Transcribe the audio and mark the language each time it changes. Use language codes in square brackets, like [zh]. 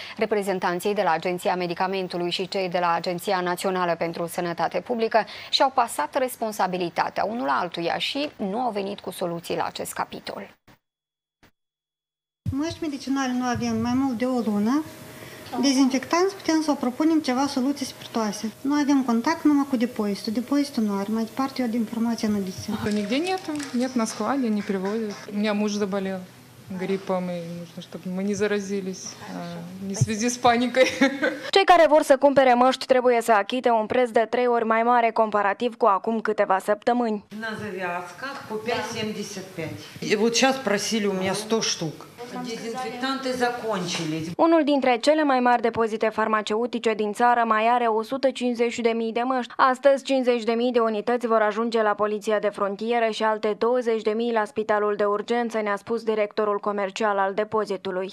[ro] Reprezentanții de la Agenția Medicamentului și cei de la Agenția Națională pentru Sănătate Publică și-au pasat responsabilitatea unul altuia și nu au venit cu soluții la acest capitol. Măști medicinale nu avem mai mult de o lună. Dezinfectanți putem să o propunem ceva soluții spiritoase. Nu avem contact numai cu depozitul. Depozitul nu are. Mai departe eu de informația nu disem. Nigde nu. [ru] Nu на складе, не привозят. У меня муж заболел грипом, и нужно, чтобы мы не заразились, не в связи с паникой. [ro] Cei care vor să cumpere măști trebuie să achite un preț de 3 ori mai mare comparativ cu acum câteva săptămâni. [ru] На завязках по 5,75. И вот сейчас просили у меня 100 штук. Dezinfectante закончились. [ro] Unul dintre cele mai mari depozite farmaceutice din țară mai are 150.000 de măști. Astăzi, 50.000 de unități vor ajunge la Poliția de Frontieră și alte 20.000 la Spitalul de Urgență, ne-a spus directorul comercial al depozitului.